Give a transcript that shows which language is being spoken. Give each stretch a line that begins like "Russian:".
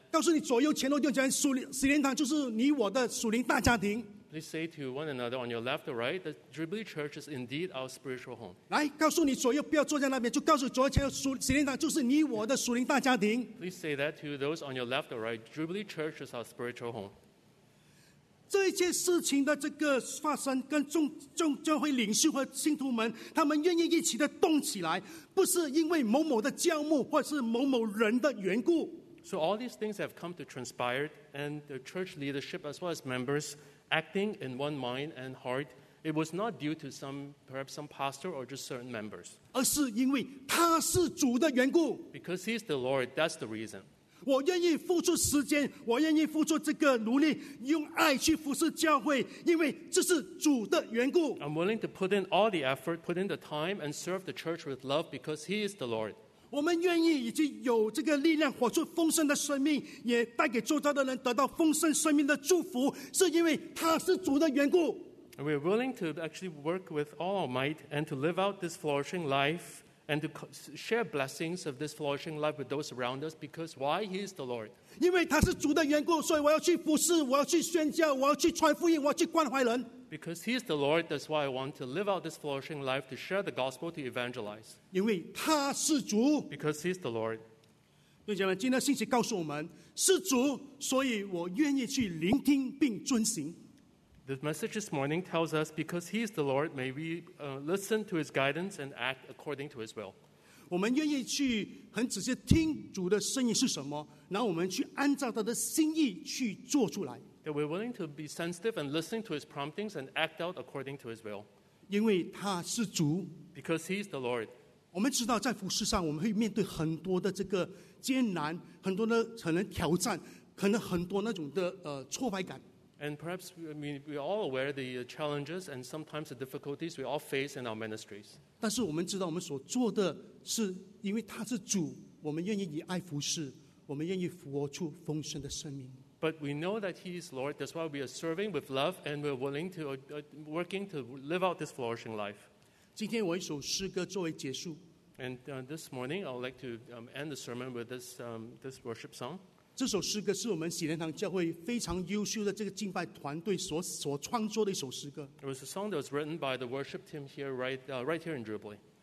Chinese: 告诉你左右前后弟兄，喜人堂就是你我的属灵大家庭。
English: Please say to one another on your left or right that Jubilee Church is indeed our spiritual home.
Chinese: 来，告诉你左右不要坐在那边，就告诉左前属喜林堂就是你我的属灵大家庭。
English: Please say that to those on your left or right. Jubilee Church is our spiritual home.
Chinese: 这一切事情的这个发生，跟众教会领袖和信徒们，他们愿意一起的动起来，不是因为某某的教牧或是某某人的缘故。
English: So all these things have come to transpire, and the church leadership as well as members acting in one mind and heart, it was not due to some, perhaps some pastor or just certain members.
Chinese: 而是因为他是主的缘故。
English: Because he's the Lord, that's the reason.
Chinese: 我愿意付出时间，我愿意付出这个努力，用爱去服侍教会，因为这是主的缘故。
English: I'm willing to put in all the effort, put in the time, and serve the church with love because he is the Lord.
Chinese: 我们愿意以及有这个力量活出丰盛的生命，也带给周遭的人得到丰盛生命的祝福，是因为他是主的缘故。
English: We are willing to actually work with all our might and to live out this flourishing life and to share blessings of this flourishing life with those around us because why? He is the Lord.
Chinese: 因为他是主的缘故，所以我要去服侍，我要去宣教，我要去传福音，我要去关怀人。
English: Because he is the Lord, that's why I want to live out this flourishing life, to share the gospel, to evangelize.
Chinese: 因为他是主。
English: Because he is the Lord.
Chinese: 弟兄姐妹，今天信息告诉我们，是主，所以我愿意去聆听并遵行。
English: The message this morning tells us, because he is the Lord, may we listen to his guidance and act according to his will.
Chinese: 我们愿意去很仔细听主的声音是什么，然后我们去按照他的心意去做出来。
English: That we're willing to be sensitive and listening to his promptings and act out according to his will.
Chinese: 因为他是主。
English: Because he is the Lord.
Chinese: 我们知道在服事上我们会面对很多的这个艰难，很多的可能挑战，可能很多那种的挫败感。
English: And perhaps we're all aware of the challenges and sometimes the difficulties we all face in our ministries.
Chinese: 但是我们知道我们所做的是因为他是主，我们愿意以爱服事，我们愿意活出丰盛的生命。
English: But we know that he is Lord, that's why we are serving with love and we're willing to working to live out this flourishing life.
Chinese: 今天我一首诗歌作为结束。
English: And this morning, I'd like to end the sermon with this worship song.
Chinese: 这首诗歌是我们喜莲堂教会非常优秀的这个敬拜团队所创作的一首诗歌。
English: It was a song that was written by the worship team here, right here in Jubilee.